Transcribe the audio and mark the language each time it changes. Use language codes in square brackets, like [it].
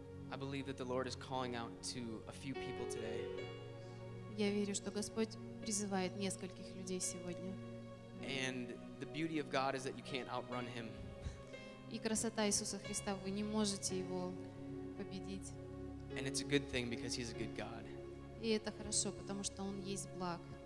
[en] I believe that the Lord is calling out to a few people today. [ru] Я верю, что Господь призывает нескольких людей сегодня. [en] And the beauty of God is that you can't outrun Him. [ru] И красота Иисуса Христа, вы не можете его победить. [en] And it's a good thing because He's a good God. [ru] И это хорошо, потому что Он есть благ.